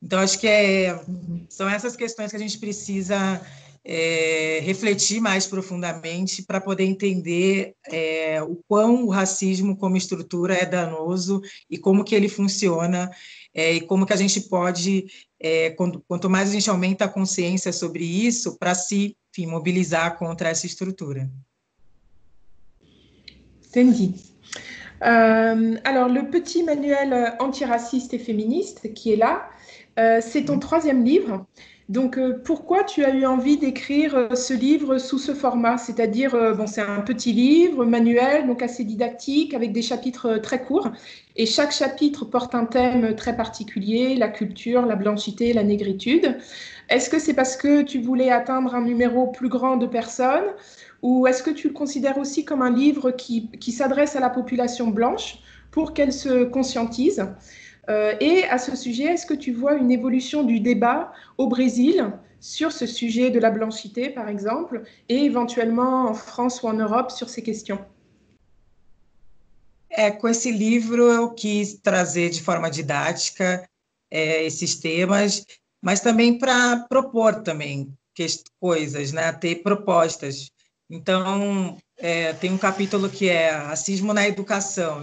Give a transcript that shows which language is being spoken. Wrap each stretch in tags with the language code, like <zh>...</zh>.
<pt>Então, acho que são essas questões que a gente precisa refletir mais profundamente para poder entender o quão o racismo como estrutura é danoso e como que ele funciona e como que a gente pode, quanto mais a gente aumenta a consciência sobre isso, para se, enfim, mobilizar contra essa estrutura. Entendi.</pt> <fr>Alors, le petit manuel antiraciste et féministe qui est là, c'est ton troisième livre. Donc, pourquoi tu as eu envie d'écrire ce livre sous ce format? C'est-à-dire, bon, c'est un petit livre, manuel, donc assez didactique, avec des chapitres très courts. Et chaque chapitre porte un thème très particulier, la culture, la blanchité, la négritude. Est-ce que c'est parce que tu voulais atteindre un numéro plus grand de personnes? Ou est-ce que tu le considères aussi comme un livre qui s'adresse à la population blanche pour qu'elle se conscientise? Et à ce sujet, est-ce que tu vois une évolution du débat au Brésil sur ce sujet de la blanchité, par exemple, et éventuellement en France ou en Europe sur ces questions?</fr> <pt>Com esse livro eu quis trazer de forma didática esses temas, mas também para propor também coisas, né? Ter propostas. Então, tem um capítulo que é racismo na educação.</pt>